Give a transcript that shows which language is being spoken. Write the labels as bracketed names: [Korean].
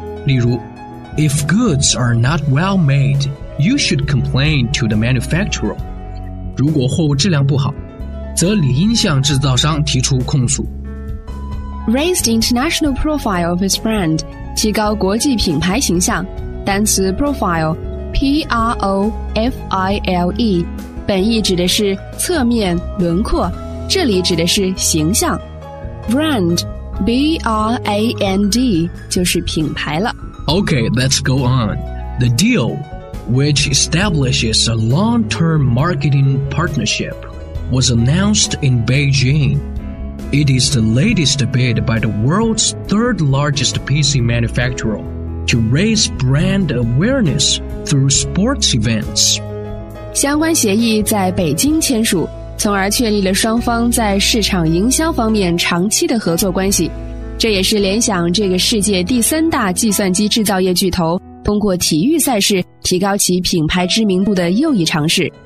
[English] 例如 If goods are not well made, you should complain to the manufacturer. [Chinese] 如果货物质量不好，则理应向制造商提出控诉。 [English] Raise the international profile of his brand, [Chinese] 提高国际品牌形象。单词 profile, P-R-O-F-I-L-E, 本意指的是侧面、轮廓，这里指的是形象。 Brand,B-R-A-N-D 就是品牌了。 [English] Okay, let's go on. The deal, which establishes a long-term marketing partnership, was announced in Beijing. It is the latest bid by the world's third largest PC manufacturer to raise brand awareness through sports events. [Chinese] 相关协议在北京签署，从而确立了双方在市场营销方面长期的合作关系。这也是联想这个世界第三大计算机制造业巨头通过体育赛事提高其品牌知名度的又一尝试。